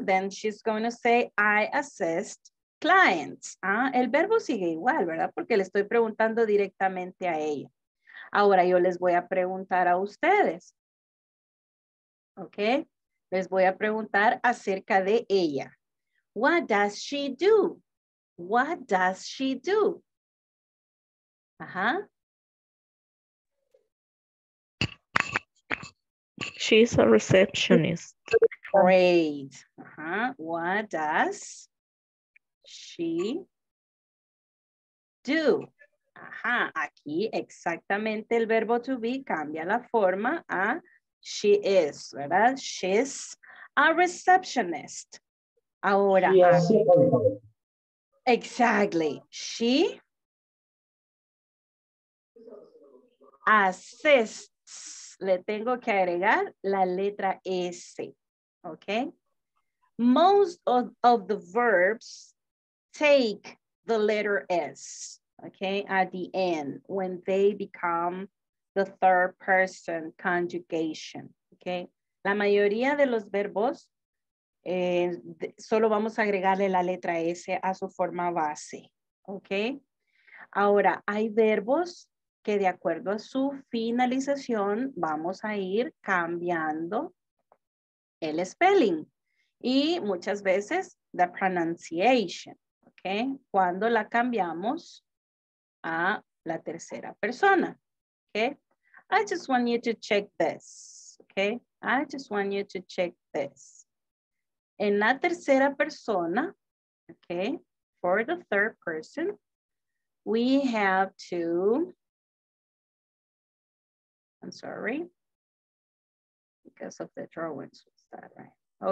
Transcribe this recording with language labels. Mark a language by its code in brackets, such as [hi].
[en] Then she's going to say, I assist clients. [es] Ah, el verbo sigue igual, ¿verdad? Porque le estoy preguntando directamente a ella. Ahora yo les voy a preguntar a ustedes. [en] ¿Ok? [es] Les voy a preguntar acerca de ella. [en] What does she do? What does she do? She's a receptionist. Great. Uh-huh. What does she do? [es] Ajá, aquí exactamente el verbo to be cambia la forma a [en] she is, [es] ¿verdad? [en] She's a receptionist. Ahora. Yes. Exactly. She assists. [es] Le tengo que agregar la letra S, ¿ok? [en] Most of the verbs take the letter S. Okay, at the end, when they become the third person conjugation. [es] Okay, la mayoría de los verbos solo vamos a agregarle la letra S a su forma base. Okay, ahora hay verbos que de acuerdo a su finalización vamos a ir cambiando el spelling y muchas veces [en] the pronunciation. [es] Okay, cuando la cambiamos a la tercera persona. [en] Okay. I just want you to check this. Okay. I just want you to check this. [es] En la tercera persona, [en] okay, for the third person, we have to, I'm sorry, because of the drawings, was that right?